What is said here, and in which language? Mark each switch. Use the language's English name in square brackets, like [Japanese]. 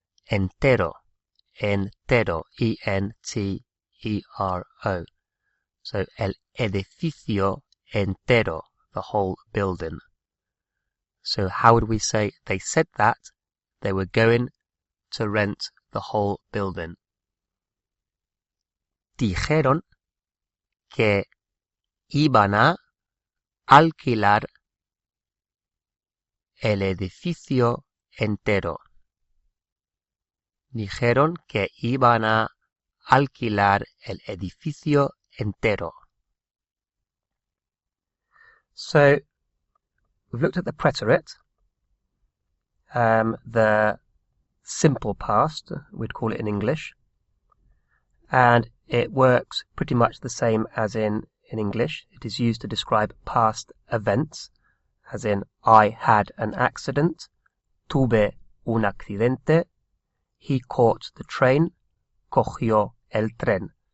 [Spanish] Entero. Entero. E-N-T-E-R-O. [English] So, [Spanish] el edificio entero. [English] The whole building. So, how would we say they said that they were going to rent the whole building? [Spanish] Dijeron que iban a alquilar el edificio entero. Dijeron que iban a alquilar el edificio entero. [English] So, we've looked at the preterite, the simple past, we'd call it in English, and it works pretty much the same as in English. It is used to describe past events, as in, I had an accident, [Spanish] tuve un accidente, [English] he caught the train, [Spanish] cogió el tren.